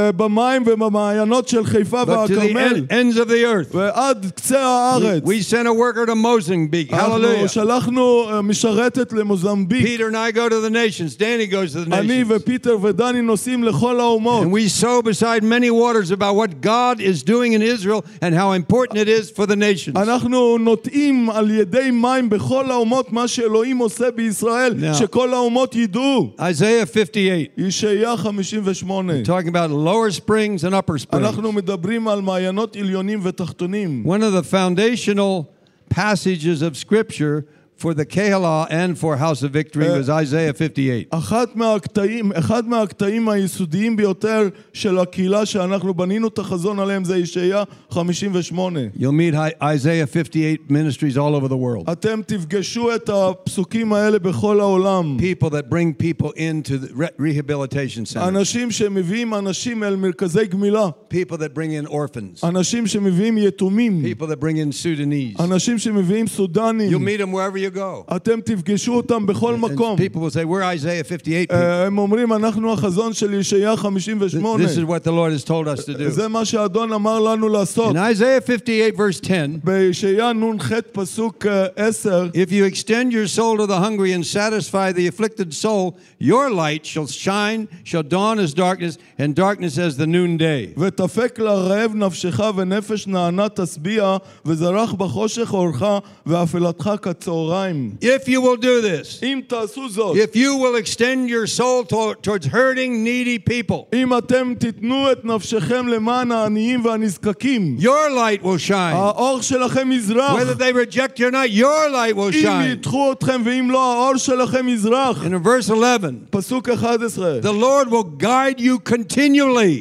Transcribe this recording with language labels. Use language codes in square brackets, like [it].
[en] to the ends of the earth. We sent a worker to Mozambique. Hallelujah. Peter and I go to the nations. Danny goes to the nations. And we sow beside many waters about what God is doing in Israel and how important it is for the nations. [he] אנחנו נוטעים על ידי מים בכל האומות מה שאלוהים עושה בישראל שכל האומות ידעו. [en] Isaiah 58. Talking about lower springs and upper springs. [he] אנחנו מדברים על מעיינות עליונים ותחתונים. [en] One of the foundational passages of scripture for the Kehillah and for House of Victory was Isaiah 58. [he] אחד מהקטעים היסודיים ביותר של הקהילה שאנחנו בנינו את החזון עליהם זה ישעיה 58. [en] You'll meet Isaiah 58 ministries all over the world. [he] אתם תפגשו את הפסוקים האלה בכל העולם. [en] People that bring people into the rehabilitation centers. [he] אנשים שמביאים אנשים אל מרכזי גמילה. [en] People that bring in orphans. [he] אנשים שמביאים יתומים. [en] People that bring in Sudanese. [he] אנשים שמביאים סודנים. [en] You'll meet them wherever you go. [he] אתם תפגשו אותם בכל מקום. [en] People will say, "We're Isaiah 58." [he] הם אומרים, אנחנו החזון של ישעיה 58. [en] This is what the Lord has told us to do. [he] זה מה שאדון אמר לנו לעשות. [en] In Isaiah 58, verse 10. [he] בישעיה נון ח' פסוק 10. [en] If you extend your soul to the hungry and satisfy the afflicted soul, your light shall shine, shall dawn as darkness, and darkness as the noonday. [he] ותפק לרעב נפשך ונפש נענה תשביע וזרח בחושך אורך ואפלתך קצר. [en] If you will do this, if you will extend your soul towards hurting, needy people, your light will shine. Whether they reject you or not, your light will shine. In verse 11, the Lord will guide you continually.